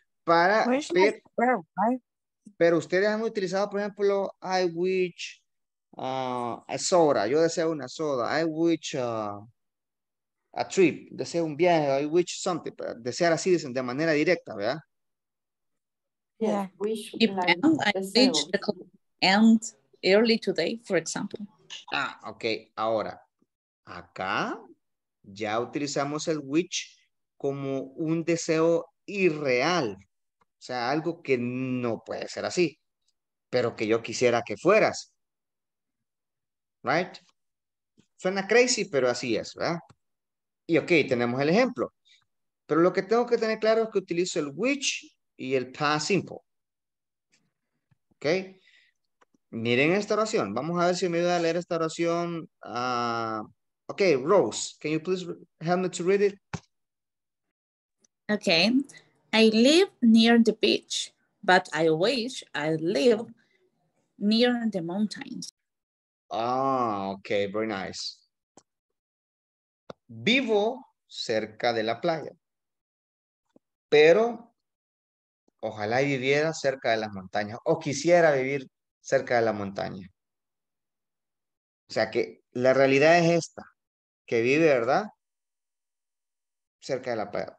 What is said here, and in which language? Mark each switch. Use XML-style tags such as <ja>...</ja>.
<es>Para pero ustedes han utilizado, por ejemplo,</es> <en>I wish a soda.</en> <es>Yo deseo una soda.</es> <en>I wish a trip,</en> <es>deseo un viaje,</es> <en>I wish something,</en> <es>pero desear así de manera directa, ¿verdad?</es> <en>Yeah, wish like I reached the end early today, for example.</en> <es>Ah, okay. Ahora, acá ya utilizamos el which como un deseo irreal. O sea, algo que no puede ser así, pero que yo quisiera que fueras.</es> <en>Right?</en> <es>Suena crazy, pero así es, ¿verdad? Y okay, tenemos el ejemplo. Pero lo que tengo que tener claro es que utilizo el which y el past simple. Ok. Miren esta oración. Vamos a ver si me ayuda a leer esta oración.</es> <en>Ok, Rose, can you please help me to read it? Ok. I live near the beach, but I wish I live near the mountains. Ah, ok, very nice.</en> <es>Vivo cerca de la playa, pero ojalá viviera cerca de las montañas o quisiera vivir cerca de la montaña. O sea que la realidad es esta, que vive, ¿verdad? Cerca de la playa.</es>